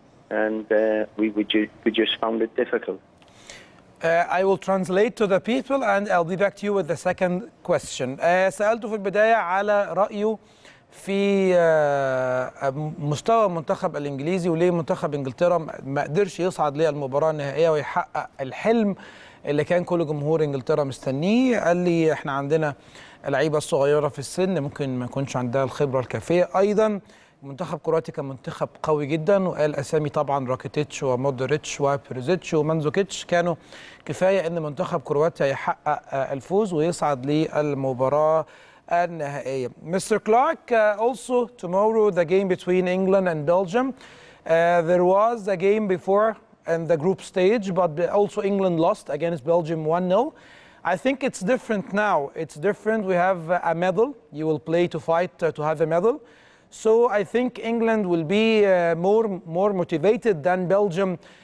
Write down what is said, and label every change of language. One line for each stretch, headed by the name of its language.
English: And we just found it difficult. I will translate to the people and I'll be back to you with the second question.
Arabic: سألته في البداية على رأيه في مستوى المنتخب الإنجليزي وليه منتخب إنجلترا ما قدرش يصعد للمباراة النهائية ويحقق الحلم اللي كان كل جمهور إنجلترا مستنيه. قال لي إحنا عندنا لعيبة صغيرة في السن ممكن ما يكونش عندها الخبرة الكافية. أيضا منتخب كرواتيا كان منتخب قوي جدا وقال اسامي طبعا راكيتيتش ومودريتش وبيريزيتش ومانزوكيتش كانوا كفايه ان منتخب كرواتيا يحقق الفوز ويصعد للمباراه النهائيه.
English: Mister Clark, also tomorrow the game between England and Belgium. There was a game before in the group stage but also England lost against Belgium 1-0. I think it's different now. It's different. We have a medal. You will play to fight to have a medal. So I think England will be more motivated than Belgium.